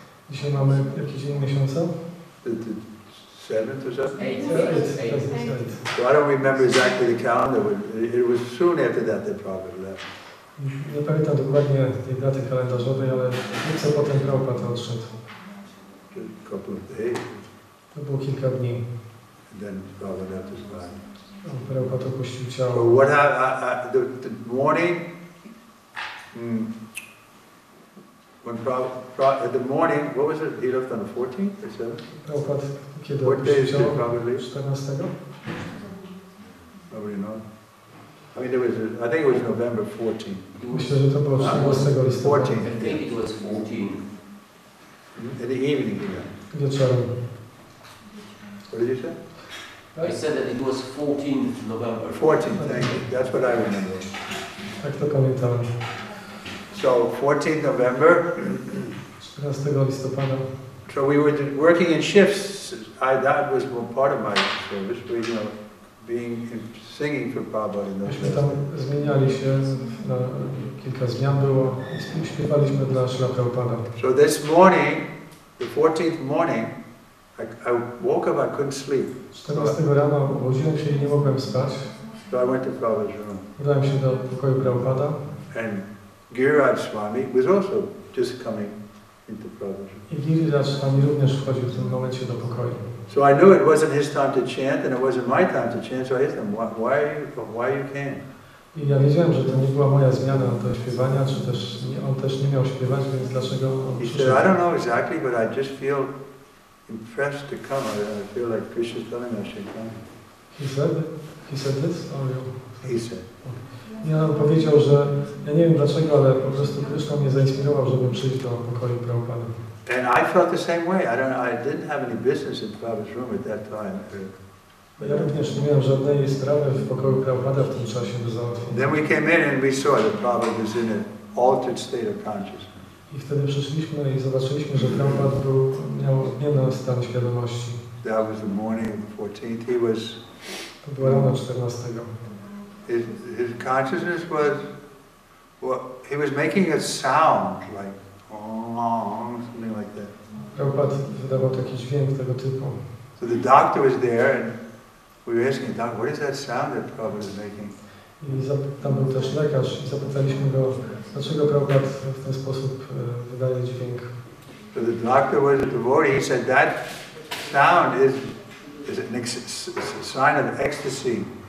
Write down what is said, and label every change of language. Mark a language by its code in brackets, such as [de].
[pl] Dzisiaj mamy jaki dzień miesiąca? [en] The 7th or something? So I don't remember exactly the calendar, but it was soon after that they probably left. [pl] Nie pamiętam dokładnie tej daty kalendarzowej, ale nieco potem Prabhupada odszedł. [en] Just a couple of days. [pl] To było kilka dni. [en] And then Prabhupada left his body. [pl] Prabhupada opuścił ciało. [en] So what happened, the morning, when Prabhupada, the morning, what was it, he left on the 14th or 7th? [pl] Prabhupada, kiedy opuścił ciało? [en] What day is it, probably? 14th? Probably not. I mean, there was a, I think it was November 14. [pl] Myślę, że to było 14 listopada. [en] I think it was 14. In the evening, yeah. [pl] Wieczorem. [en] What did you say? I said that it was 14th November. 14th, thank you. That's what I remember. [pl] Tak to pamiętam. [en] So, 14th November. [pl] 14 listopada. [en] So we were working in shifts. I, that was part of my service. We, you know, being in, singing for Prabhupada in those shifts. [pl] Tam zmieniali się, na kilka zmian było. Śpiewaliśmy dla Śrila Prabhupada. [en] So this morning, the 14th morning, I woke up, I couldn't sleep. [pl] 14 rano obudziłem się i nie mogłem spać. [en] So I went to Prabhupada's room. [pl] Udałem się do pokoju Prabhupada. [en] And Giriraj Swami was also just coming. [pl] I Giriraj Swami również wchodził w tym momencie do pokoju. [en] So I knew it wasn't his time to chant and it wasn't my time to chant, so I asked him, why you came? [pl] I ja wiedziałem, że to nie była moja zmiana do śpiewania, czy też nie, on też nie miał śpiewać, więc dlaczego on przyszedł? [en] He said, I don't know exactly, but I just feel impressed to come. I feel like Krishna's telling me I should come. He said this? Or you? He said. [pl] Ja on powiedział, że ja nie wiem dlaczego, ale po prostu Krishna mnie zainspirował, żeby przyjść do pokoju Prabhupada. [en] And I felt the same way. I don't know, I didn't have any business in Prabhupada's room at that time. [pl] Bo ja również nie miałem żadnej sprawy w pokoju Prabhupada w tym czasie do załatwienia. [en] Then we came in and we saw that Prabhupada was in an altered state of consciousness. [pl] I wtedy przyszliśmy i zobaczyliśmy, że Prabhupada był, miał zmienny stan świadomości. [en] That was the morning of the 14th. He was... [pl] To było rano 14. [en] His consciousness was, well, he was making a sound like, oh, something like that. [pl] Prabhupada wydawał taki dźwięk tego typu. [en] So the doctor was there and we were asking the doctor, what is that sound that Prabhupada is making? [pl] I tam był też lekarz i zapytaliśmy go, dlaczego Prabhupada w ten sposób wydaje dźwięk. [en] So the doctor was a devotee, he said, that sound is an is a sign of ecstasy.